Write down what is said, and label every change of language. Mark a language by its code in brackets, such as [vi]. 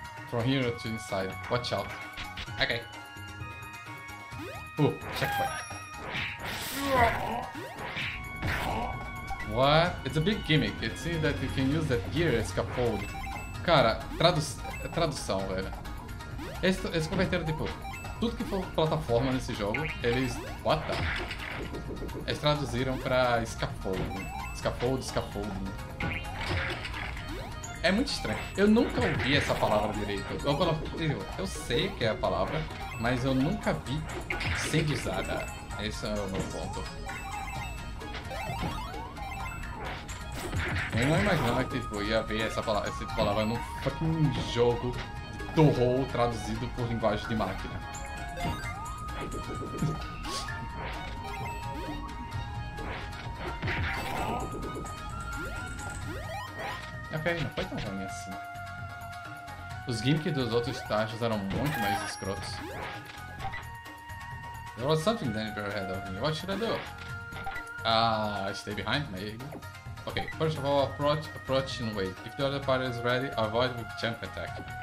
[en] From here to inside. Watch out. Okay. Ooh, checkpoint. What? It's a big gimmick. It seems that you can use that gear as scaffold. [pt] Cara, tradução, velho. Eles converteram, tipo, tudo que for plataforma nesse jogo, eles... [en] What the? [pt] Eles traduziram pra scaffold. Scaffold. É muito estranho. Eu nunca ouvi essa palavra direito. Eu sei que é a palavra, mas eu nunca vi sendo usada. Esse é o meu ponto. Eu não imaginava que tipo, ia ver essa palavra num fucking jogo do Roll traduzido por linguagem de máquina. Ok, não foi tão ruim assim. Os gimmicks dos outros estágios eram muito mais escrotos. [en] There was something then ahead of me. What should I do? Stay behind, maybe. Okay, first of all, approach and wait. If the other party is ready, avoid with jump attack.